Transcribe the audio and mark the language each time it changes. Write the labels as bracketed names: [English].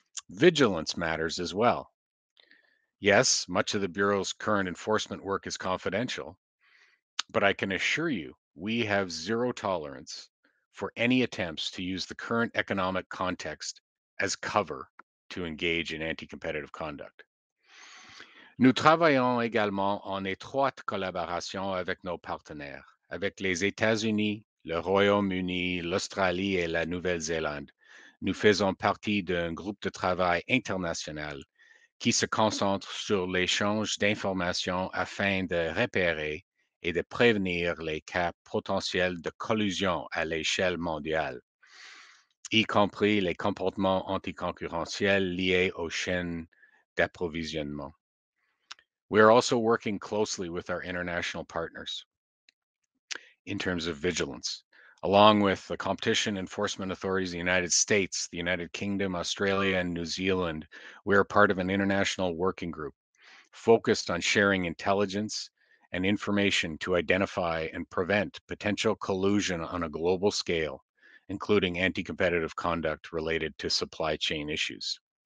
[English] Vigilance matters as well. Yes, much of the Bureau's current enforcement work is confidential, but I can assure you we have zero tolerance for any attempts to use the current economic context as cover to engage in anti-competitive conduct. [French] Nous travaillons également en étroite collaboration avec nos partenaires, avec les États-Unis, le Royaume-Uni, l'Australie et la Nouvelle-Zélande. Nous faisons partie d'un groupe de travail international qui se concentre sur l'échange d'informations afin de repérer et de prévenir les cas potentiels de collusion à l'échelle mondiale, y compris les comportements anticoncurrentiels liés aux chaînes d'approvisionnement. [English] We are also working closely with our international partners in terms of vigilance, along with the competition enforcement authorities of the United States, the United Kingdom, Australia, and New Zealand. We are part of an international working group focused on sharing intelligence and information to identify and prevent potential collusion on a global scale, including anti-competitive conduct related to supply chain issues.